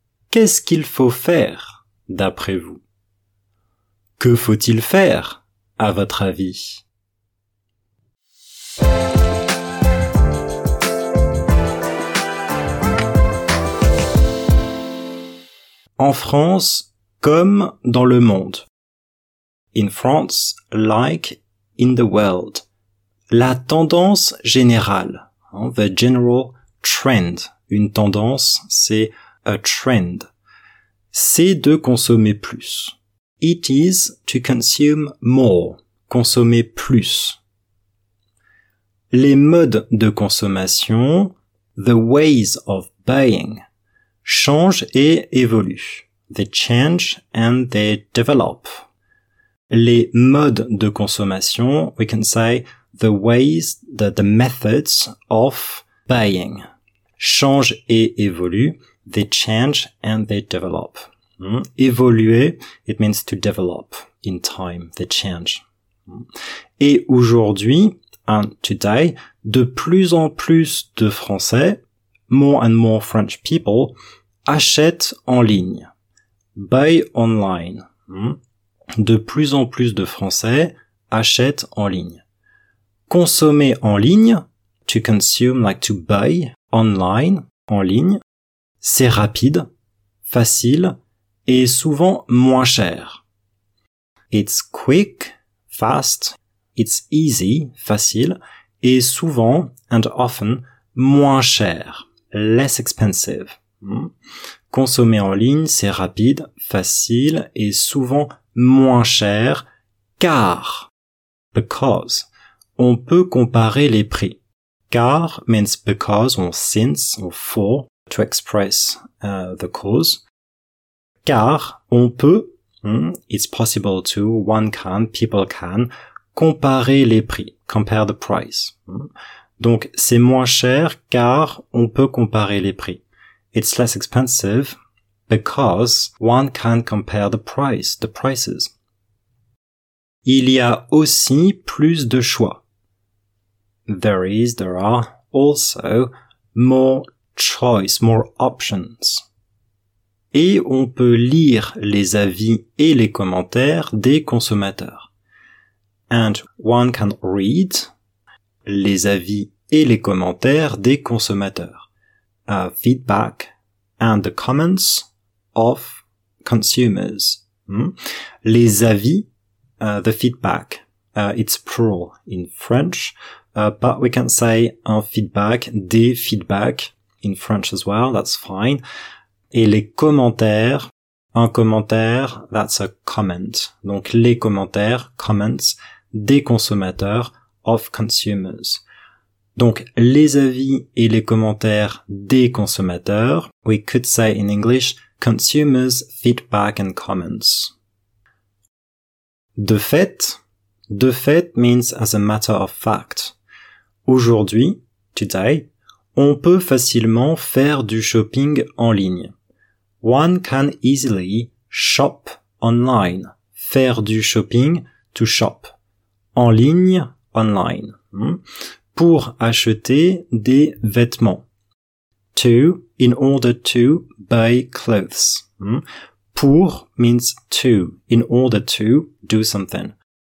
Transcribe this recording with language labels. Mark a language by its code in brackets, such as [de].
[fr] Qu'est-ce qu'il faut faire, d'après vous? Que faut-il faire, à votre avis? En France, comme dans le monde. [en] In France, like in the world. [fr] La tendance générale. Hein, [en] the general trend. [fr] Une tendance, c'est [en] a trend. [fr] C'est de consommer plus. [en] It is to consume more. [fr] Consommer plus. Les modes de consommation, [en] the ways of buying, [fr] changent et évoluent. [en] They change and they develop. [fr] Les modes de consommation, [en] we can say the ways, the methods of buying, [fr] changent et évoluent. [en] They change and they develop. [fr] Évoluer, [en] it means to develop in time, they change. [fr] Et aujourd'hui, [en] and today, [fr] de plus en plus de Français, [en] more and more French people, [fr] achètent en ligne. [en] buy online. [fr] De plus en plus de Français achètent en ligne. Consommer en ligne, [en] to consume, like to buy online, [fr] en ligne, c'est rapide, facile et souvent moins cher. [en] It's quick, fast, it's easy, [fr] facile, et souvent, [en] and often, [fr] moins cher, [en] less expensive. [fr] Consommer en ligne, c'est rapide, facile et souvent moins cher, car, [en] because, [fr] on peut comparer les prix. [en] Car means because, or since, or for, to express the cause. [fr] Car, on peut, [en] it's possible to, one can, people can, [fr] comparer les prix, [en] compare the price. [fr] Donc, c'est moins cher car on peut comparer les prix. [en] It's less expensive because one can compare the price, the prices. [fr] Il y a aussi plus de choix. [en] There are also more choice, more options. [fr] Et on peut lire les avis et les commentaires des consommateurs. [en] And one can read [fr] les avis et les commentaires des consommateurs. [en] Feedback and the comments of consumers. [fr] Les avis, [en] the feedback, it's plural in French, but we can say [fr] un feedback, des feedbacks [en] in French as well, that's fine. [fr] Et les commentaires, un commentaire, [en] that's a comment. [fr] Donc les commentaires, [en] comments, [fr] des consommateurs, [en] of consumers. [fr] Donc les avis et les commentaires des consommateurs, [en] we could say in English, consumers' feedback and comments. [fr] De fait [en] means as a matter of fact. [fr] Aujourd'hui, [en] today, [fr] on peut facilement faire du shopping en ligne. [en] One can easily shop online. [fr] Faire du shopping, [en] to shop. [fr] En ligne, online. Pour acheter des vêtements. [en] To, in order to buy clothes. Pour means to, in order to do something.